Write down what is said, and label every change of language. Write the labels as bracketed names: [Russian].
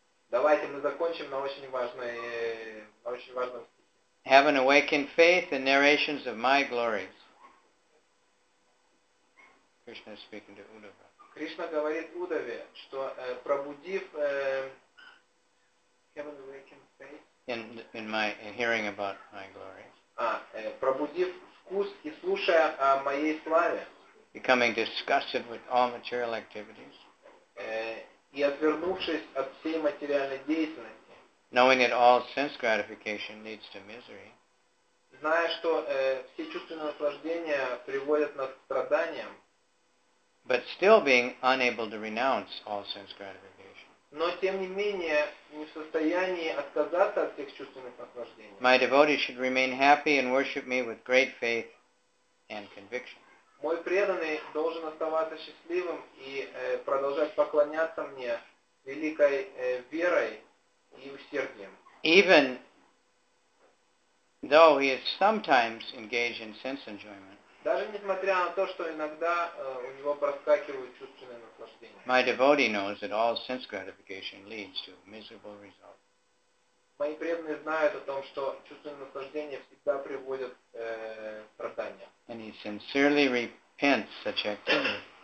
[Russian] Давайте мы закончим на очень важном стихе. [English] Have an awakened faith in narrations of my glories. Krishna is speaking to Uddhava. [Russian] Кришна говорит Удаве, что пробудив [English] have an awakened faith in hearing about my glories. [Russian] Пробудив вкус и слушая о моей славе. [English] Becoming disgusted with all material activities. [Russian] И отвернувшись от всей материальной деятельности. [English] Knowing that all sense gratification leads to misery. [Russian] Зная, что все чувственные наслаждения приводят нас к страданиям. [English] But still being unable to renounce all sense gratification. [Russian] Но тем не менее, не в состоянии отказаться от всех чувственных наслаждений. [English] My devotee should remain happy and worship me with great faith and conviction. [Russian] Мой преданный должен оставаться счастливым и продолжать поклоняться мне великой верой и усердием. [English] Even though he is sometimes engaged in sense enjoyment, [Russian] даже несмотря на то, что иногда у него проскакивают чувственные наслаждения, [English] my devotee knows that all sense gratification leads to miserable results. [Russian] Мои преданные знают о том, что чувственные наслаждения всегда приводят к страданиям. [English] And he sincerely repents such activity.